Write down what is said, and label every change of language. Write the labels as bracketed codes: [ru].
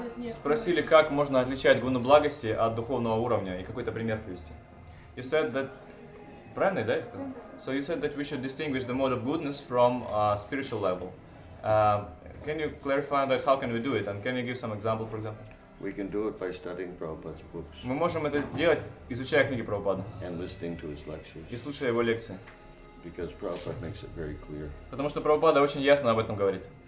[ru] Спросили, как можно отличать гуну благости от духовного уровня и какой-то пример привести. [en] You said that... [ru] Правильно, да? [en] So you said that we should distinguish the mode of goodness from spiritual level. Can you clarify that? How can we do it? And can you give some example, for example? We can do it by studying Prabhupada's books. [ru] Мы можем это делать, изучая книги Прабхупады. [en] And listening to his lectures. [ru] И слушая его лекции. [en] Because Prabhupada makes it very clear. [ru] Потому что Прабхупада очень ясно об этом говорит.